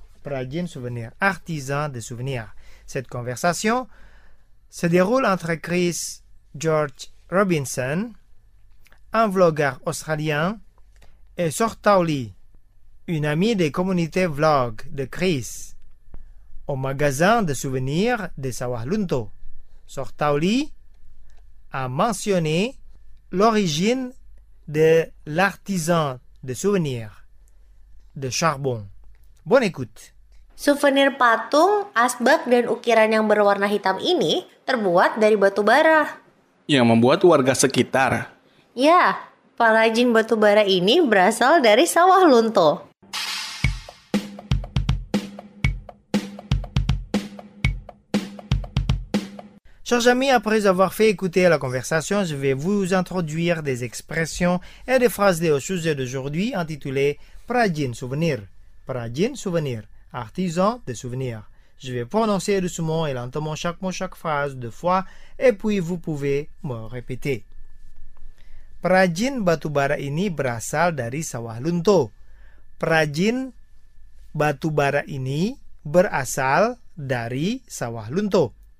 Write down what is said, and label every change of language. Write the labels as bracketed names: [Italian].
[French] Prajin Souvenir, artisan de souvenirs. Cette conversation se déroule entre Chris George Robinson, un vlogueur australien, et Sortauli, une amie des communautés vlog de Chris, au magasin de souvenirs de Sawahlunto. Sortauli a mentionné l'origine de l'artisan de souvenirs, de charbon. Bonne écoute. [Indonesian] Souvenir patung, asbak dan ukiran yang berwarna hitam ini terbuat dari batu bara. Yang membuat warga sekitar. Ya, pengrajin batu bara ini berasal dari Sawahlunto. [French] Chers amis, après avoir fait écouter la conversation, je vais vous introduire des expressions et des phrases liées au sujet d'aujourd'hui intitulées Prajin Souvenir. Prajin Souvenir, artisan de souvenirs. Je vais prononcer doucement et lentement chaque mot, chaque phrase deux fois et puis vous pouvez me répéter. [Indonesian] Prajin batubara ini berasal dari Sawahlunto. Prajin batubara ini berasal dari Sawahlunto.